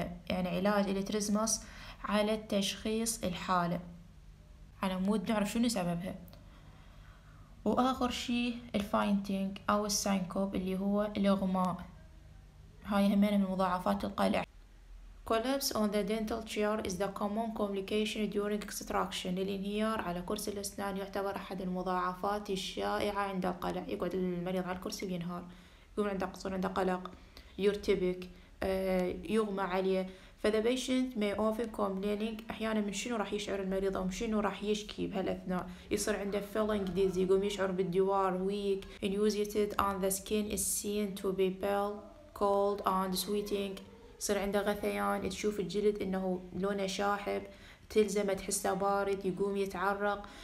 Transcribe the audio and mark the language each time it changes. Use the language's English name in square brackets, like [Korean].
[Arabic] يعني علاج الترزمس على تشخيص الحاله على مود نعرف شنو سببها وآخر شيء الفاينتينج أو السينكوب اللي هو الإغماء هاي همين من مضاعفات القلع. [English] Collapse on the dental chair is the common complication during extraction. [Arabic] الانهيار على كرسي الأسنان يعتبر أحد المضاعفات الشائعة عند القلع. يقعد المريض على الكرسي وينهار يقوم عنده قصور عنده قلق يرتبك يغمى عليه. [English] For the patient may often complain [Arabic] أحيانا من شنو راح يشعر المريض أو من شنو راح يشكي بهالأثناء يصير عنده [English] feeling dizzy [Arabic] يقوم يشعر بالدوار [English] weak nauseated and the skin is seen to be pale cold and sweating [Arabic] يصير عنده غثيان تشوف الجلد إنه لونه شاحب تلزمه تحسه بارد يقوم يتعرق.